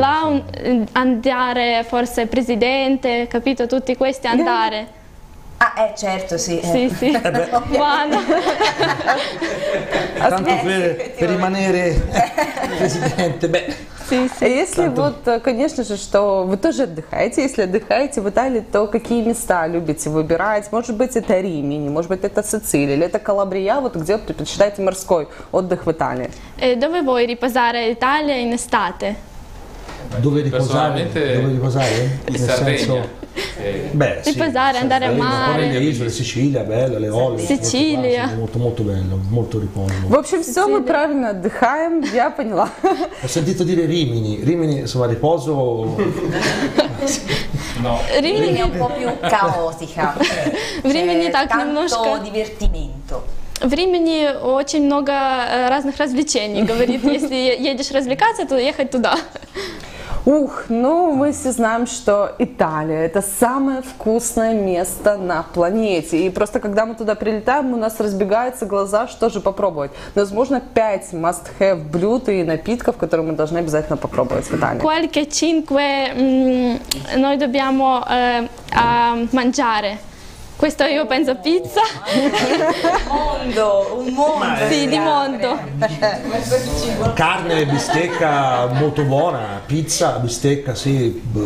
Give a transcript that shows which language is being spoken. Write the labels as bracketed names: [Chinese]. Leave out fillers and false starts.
[Italian] Là andare forse presidente, capito? Tutti questi andare. Ah, certo, sì. Sì, sì. Buono. Tanto per rimanere presidente, beh. Sì, sì. [Russian] А если Tanto... вот, конечно же, что вы тоже отдыхаете, если отдыхаете в Италии, то какие места любите выбирать? Может быть, это Рим, может быть, это Сицилия, или это Калабрия, вот где предпочитаете морской отдых в Италии? [Italian] Dove vuoi riposare Italia in estate? Dove riposare? Dove riposare? In Sardegna. Beh, sì, riposare, andare a mare, le isole, Sicilia, bella, le Eolie, Sicilia, molto molto bello, molto riposo. [Russian] В общем, все мы правильно отдыхаем, я поняла. [Italian] Ho sentito dire Rimini, Rimini, insomma, riposo. No. Rimini è un po' più caotica. [Russian] В Римини так немножко. [Italian] Tanto divertimento. [Russian] В Римини очень много разных развлечений, говорит, если едешь развлекаться, то ехать туда. Ух, ну мы все знаем, что Италия – это самое вкусное место на планете. И просто когда мы туда прилетаем, у нас разбегаются глаза, что же попробовать. Возможно, 5 must-have блюд и напитков, которые мы должны обязательно попробовать в Италии. [Italian] Qualche cinque noi dobbiamo mangiare. Questo io penso pizza. Mondo, un mondo. Sì, di mondo. Carne, bistecca molto buona, pizza, bistecca, sì.